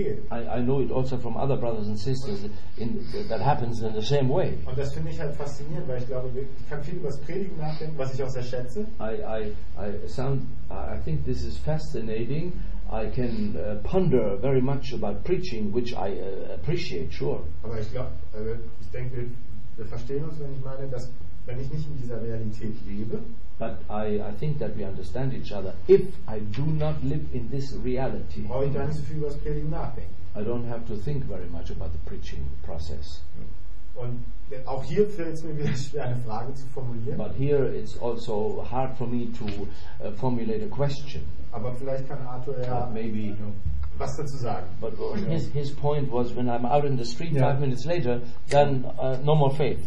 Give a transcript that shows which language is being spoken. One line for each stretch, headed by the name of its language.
English: I know it also from other brothers and sisters in, that happens in the same way.
German: Und das finde ich halt faszinierend, weil ich glaube, ich kann viel über das Predigen nachdenken, was ich auch sehr schätze.
English: I think this is fascinating. I can ponder very much about preaching, which I appreciate, sure.
German: Aber ich glaube, ich denke, wir verstehen uns, wenn ich meine, dass wenn ich nicht in dieser Realität lebe.
English: But I think that we understand each other. If I do not live in this reality, I don't have to think very much about the preaching process.
German: Und auch hier fällt es mir wieder schwer, eine Frage zu formulieren.
English: But here it's also hard for me to formulate a question.
German: Aber vielleicht kann Arthur ja
English: maybe, you
German: know, was dazu sagen.
English: But his point was, when I'm out in the street, yeah, 5 minutes later, then no more faith.